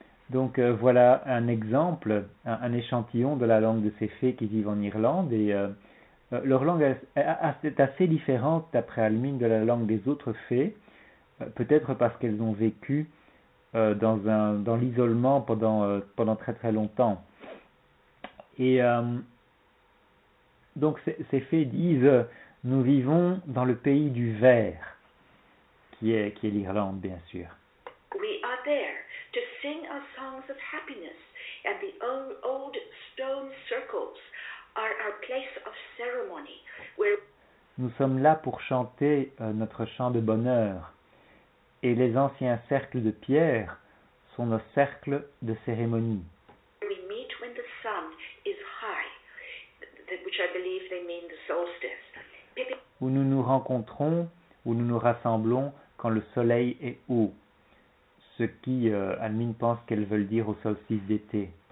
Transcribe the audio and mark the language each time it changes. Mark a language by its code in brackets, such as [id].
[fr] Donc voilà un exemple, un échantillon de la langue de ces fées qui vivent en Irlande et leur langue est assez différente, d'après Almin, de la langue des autres fées, peut-être parce qu'elles ont vécu dans l'isolement pendant très très longtemps. Et donc ces fées disent, nous vivons dans le pays du vert, qui est l'Irlande, bien sûr. [en] We are there to sing our songs of happiness and the old stone circles. Our place of ceremony, where... [fr] Nous sommes là pour chanter notre chant de bonheur. Et les anciens cercles de pierre sont nos cercles de cérémonie. [en] We meet when the sun is high, which I believe they mean the solstice. [fr] Où nous nous rencontrons, où nous nous rassemblons quand le soleil est haut. Ce qui, Almin pense qu'elles veulent dire au solstice d'été.